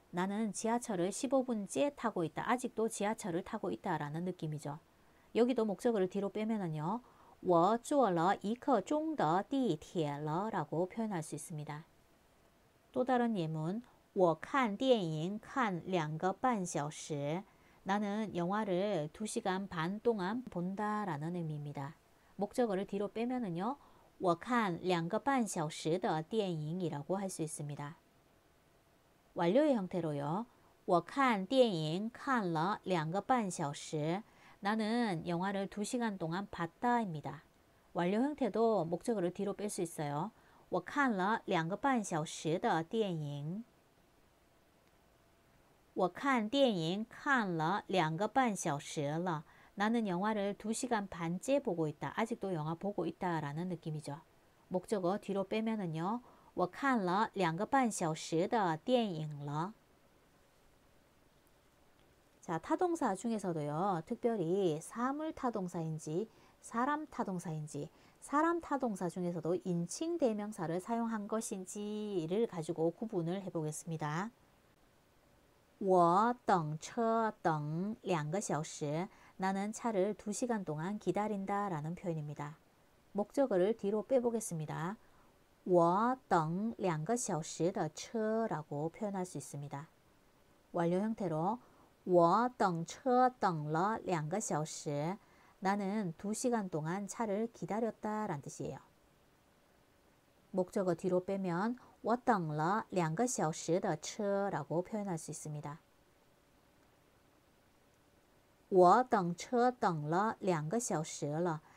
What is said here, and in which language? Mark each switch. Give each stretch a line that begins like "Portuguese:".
Korean: 나는 지하철을 15분째 타고 있다. 아직도 지하철을 타고 있다라는 느낌이죠. 여기도 목적어를 뒤로 빼면은요,
Chinese: 我坐了一刻钟的地铁了
Korean: 라고 표현할 수 있습니다. 또 다른 예문,
Chinese: 我看电影看2个半小时.
Korean: 나는 영화를 2시간 반 동안 본다라는 의미입니다. 목적어를 뒤로 빼면은요,
Chinese: 我看2个半小时的电影
Korean: 이라고 할수 있습니다. 완료의 형태로요,
Chinese: 我看电影看了2个半小时.
Korean: 나는 영화를 2시간 동안 봤다입니다. 완료 형태도 목적어를 뒤로 뺄수 있어요.
Chinese: 我看了2个半小时的电影. 我看电影看了2个半小时了.
Korean: 나는 영화를 2시간 반째 보고 있다. 아직도 영화 보고 있다라는 느낌이죠. 목적어 뒤로 빼면은요,
Chinese: 我看了2个半小时的电影了.
Korean: 자, 타동사 중에서도요, 특별히 사물 타동사인지 사람 타동사인지, 사람 타동사 중에서도 인칭 대명사를 사용한 것인지를 가지고 구분을 해보겠습니다.
Chinese: 我等车等2个小时.
Korean: 나는 차를 2시간 동안 기다린다라는 표현입니다. 목적어를 뒤로 빼보겠습니다.
Chinese: 我等2个小时的车
Korean: 라고 표현할 수 있습니다. 완료 형태로
Chinese: 我等车等了2个小时.
Korean: 나는 2시간 동안 차를 기다렸다라는 뜻이에요. 목적어 뒤로 빼면
Chinese: 我等了2个小时的车
Korean: 라고 표현할 수 있습니다.
Chinese: 我等车等了2个小时了.